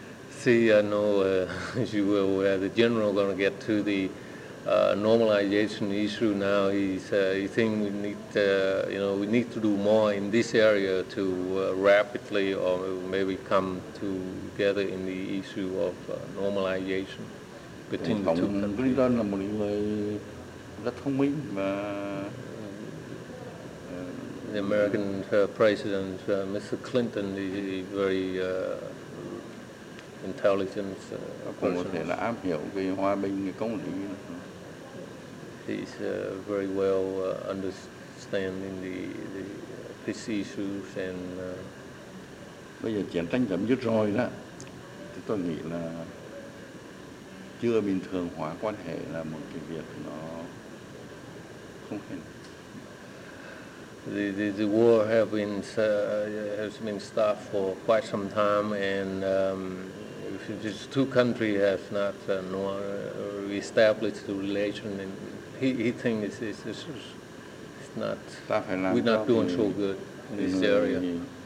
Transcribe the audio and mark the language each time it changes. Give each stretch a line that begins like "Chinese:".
English: See, I know as you were aware, the general going to get to the normalization issue now. He think we need you know we need to do more in this area to rapidly or maybe come together in the issue of normalization between the two countries.
Vietnamese: Tổng thống Clinton là một người rất thông minh và
English: the American president Mr. Clinton is very intelligent
Vietnamese: cũng có thể là am hiểu về hòa bình và công lý.
English: He's very well understanding the this issues and.
Vietnamese: Bây giờ chiến tranh chấm dứt rồi đó, thì tôi nghĩ là chưa bình thường hóa quan hệ là một cái việc nó không hề.
English: The war has been stopped for quite some time, and these two countries have not reestablished the relation. And he thinks it's not, we're not doing so good in this area.